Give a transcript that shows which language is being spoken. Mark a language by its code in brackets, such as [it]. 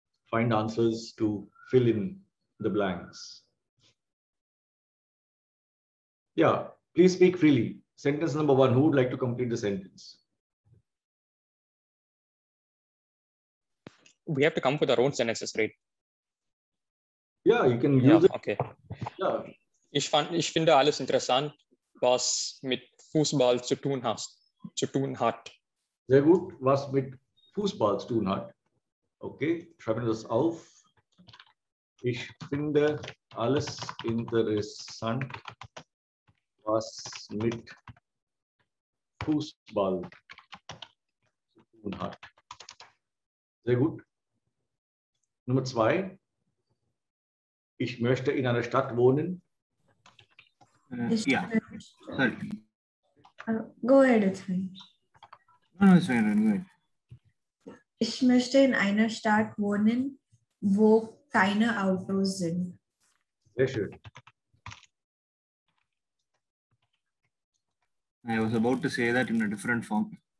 [en] Find answers to fill in the blanks. Yeah, please speak freely. Sentence number one, who would like to complete the sentence? We have to come up with our own sentences, right? Yeah, you can use it. Okay. Yeah. [de] Ich finde alles interessant, was mit Fußball zu tun hat. Sehr gut, was mit Fußball zu tun hat. Okay, schreiben wir das auf. Ich finde alles interessant, was mit Fußball zu tun hat. Sehr gut. Nummer zwei. Ich möchte in einer Stadt wohnen. Ja. Sorry. [en] Go ahead, it's fine. No, it's fine, go ahead. [de] Ich möchte in einer Stadt wohnen, wo keine Autos sind. Sehr schön. [en] I was about to say that in a different form.